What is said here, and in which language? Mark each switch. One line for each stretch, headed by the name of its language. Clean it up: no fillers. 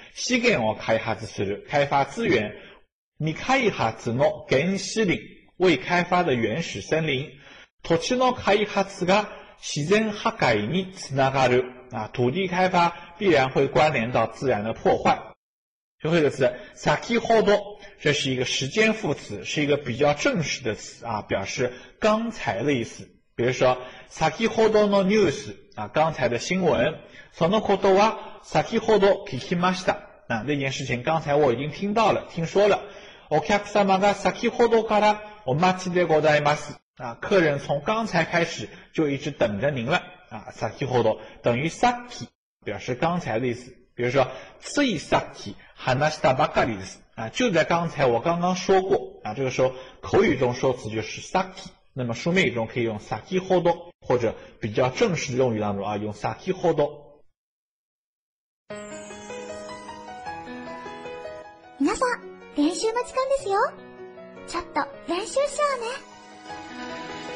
Japanese: 資源を開発する，
Chinese: 开发资源。
Japanese: 未開発の原始林，
Chinese: 未开发的原始森林。
Japanese: 土地の開発が自然破壊につながる
Chinese: 啊，土地开发必然会关联到自然的破坏。最后一个词先ほど，这是一个时间副词，是一个比较正式的词啊，表示刚才的意思。比如说先ほどのニュース啊，刚才的新闻。
Japanese: そのことは先ほど聞きました
Chinese: 啊，那件事情刚才我已经听到了，听说了。
Japanese: お客様が先ほどからお待ちでございます啊，
Chinese: 客人从刚才开始就一直等着您了啊。先ほど等于さっき，表示刚才的意思。比如说
Japanese: ついさっき話したばかりです
Chinese: 啊，就在刚才我刚刚说过啊，这个时候口语中说词就是さっき，那么书面语中可以用先ほど，或者比较正式的用语当中啊，用先ほど。
Japanese: 皆さん練習の時間ですよ。ちょっと練習しようね。